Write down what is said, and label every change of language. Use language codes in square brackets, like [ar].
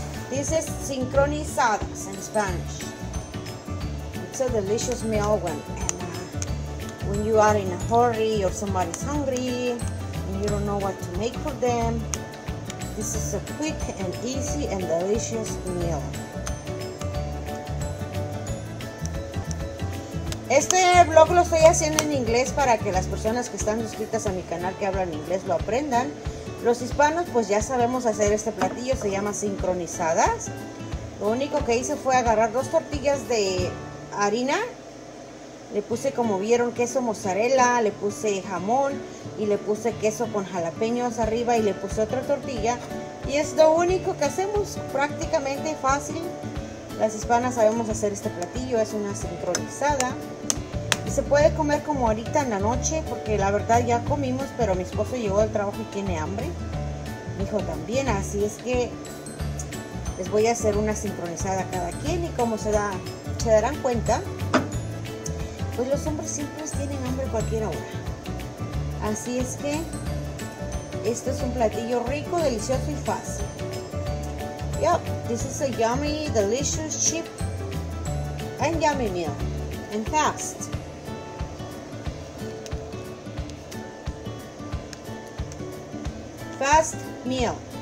[en] This is sincronizadas in Spanish. It's a delicious meal when you are in a hurry or somebody's hungry and you don't know what to make for them. This is a quick and easy and delicious meal. [es] Este blog lo estoy haciendo en inglés para que las personas que están suscritas a mi canal que hablan inglés lo aprendan. Los hispanos pues ya sabemos hacer este platillo, se llama sincronizadas. Lo único que hice fue agarrar dos tortillas de harina, le puse, como vieron, queso mozzarella, le puse jamón y le puse queso con jalapeños arriba y le puse otra tortilla. Y es lo único que hacemos, prácticamente fácil. Las hispanas sabemos hacer este platillo, es una sincronizada. Y se puede comer como ahorita en la noche, porque la verdad ya comimos, pero mi esposo llegó del trabajo y tiene hambre. Mi hijo también, así es que les voy a hacer una sincronizada a cada quien. Y como se darán cuenta, pues los hombres siempre tienen hambre cualquier hora. Así es que esto es un platillo rico, delicioso y fácil. [en] Yep, this is a yummy, delicious, cheap, and yummy meal, and fast. Fast meal.